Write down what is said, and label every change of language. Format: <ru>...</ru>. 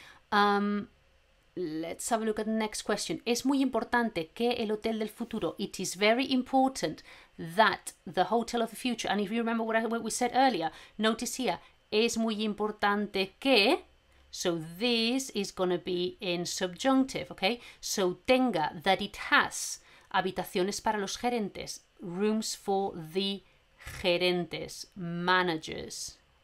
<en>Let's have a look at the next question.</en> <es>Es muy importante que el hotel del futuro.</es> <en>It is very important that the hotel of the future. And if you remember what we said earlier, notice here, es muy importante que. So this is going to be in subjunctive, okay? So tenga, that it has, habitaciones para los gerentes, rooms for the gerentes, managers.</en>